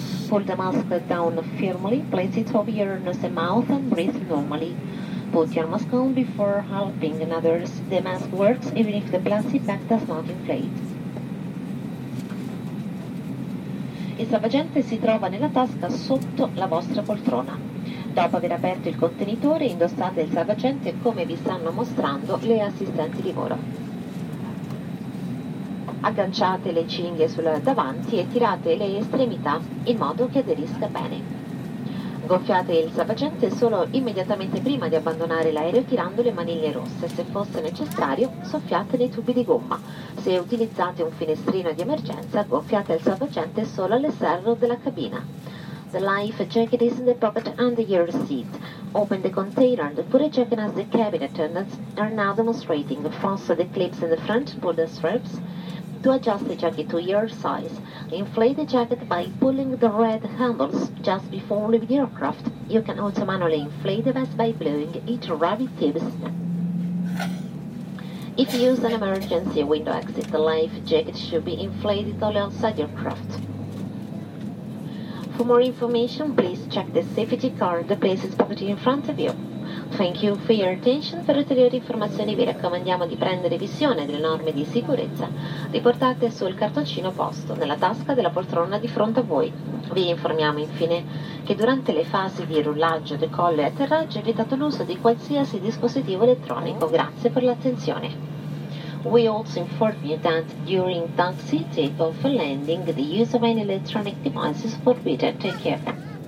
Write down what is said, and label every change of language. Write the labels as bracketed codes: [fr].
[en] Pull the mask down firmly, place it over your nose and mouth, and breathe normally. Put your mask on before helping others. The mask works even if the plastic bag does not inflate. [it] Il salvagente si trova nella tasca sotto la vostra poltrona. Dopo aver aperto il contenitore, indossate il salvagente come vi stanno mostrando le assistenti di volo. Agganciate le cinghie sul davanti e tirate le estremità in modo che aderisca bene. Gonfiate il salvagente solo immediatamente prima di abbandonare l'aereo tirando le maniglie rosse. Se fosse necessario, soffiate nei tubi di gomma. Se utilizzate un finestrino di emergenza, gonfiate il salvagente solo all'esterno della cabina. [en] The life jacket is in the pocket under your seat. Open the container and put a jacket as the cabin attendants are now demonstrating. Fasten the clips in the front, pull the straps to adjust the jacket to your size. Inflate the jacket by pulling the red handles just before leaving the aircraft. You can also manually inflate the vest by blowing it rabbit tips. If you use an emergency window exit, the life jacket should be inflated only outside your craft. For more information, please check the safety card that places pocket in front of you. Thank you for your attention. [it] Per ulteriori informazioni vi raccomandiamo di prendere visione delle norme di sicurezza riportate sul cartoncino posto nella tasca della poltrona di fronte a voi. Vi informiamo infine che durante le fasi di rullaggio, decollo e atterraggio è vietato l'uso di qualsiasi dispositivo elettronico. Grazie per l'attenzione. [en] We also inform you that during taxi, takeoff and landing, the use of any electronic device is forbidden. Take care.